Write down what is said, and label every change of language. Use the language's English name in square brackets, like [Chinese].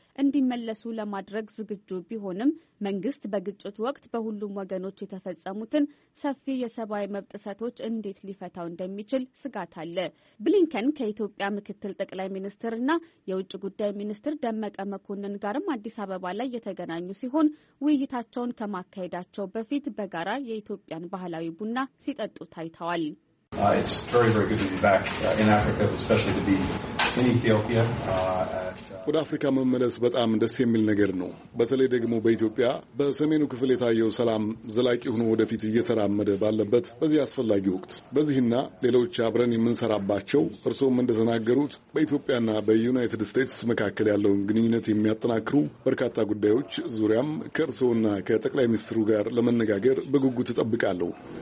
[Amharic] እንዲመለሱ ለማድረግ ዝግጁ ቢሆንም መንግስት በግጭቱ ወቅት በሁሉም ወገኖች የተፈጸሙትን ሰፊ የሰብአዊ መብት ጥሰቶች እንዴት ሊፈታው እንደሚችል ስጋት አለ። ብሊንከን ከኢትዮጵያ ምክትል ጠቅላይ ሚኒስትርና የውጭ ጉዳይ ሚኒስትር ደመቀ መኮንን ጋርም አዲስ አበባ ላይ የተገናኙ ሲሆን ውይይታቸውን ከማካሄዳቸው በፊት በጋራ የኢትዮጵያን ባህላዊ ቡና ሲጠጡ ታይተዋል። [English] It's very, very good to be back in Africa, especially to be in Ethiopia. [Amharic] ወደ አፍሪካ መመለስ በጣም ደስ የሚል ነገር ነው። በተለይ ደግሞ በኢትዮጵያ በሰሜኑ ክፍል የታየው ሰላም ዘላቂ ሆኖ ወደፊት እየተራመደ ባለበት በዚህ አስፈላጊ ወቅት በዚህና ሌሎች አብረን የምንሰራባቸው እርሶም እንደተናገሩት በኢትዮጵያና በዩናይትድ ስቴትስ መካከል ያለውን ግንኙነት የሚያጠናክሩ በርካታ ጉዳዮች ዙሪያም ከእርሶና ከጠቅላይ ሚኒስትሩ ጋር ለመነጋገር በጉጉት እጠብቃለሁ።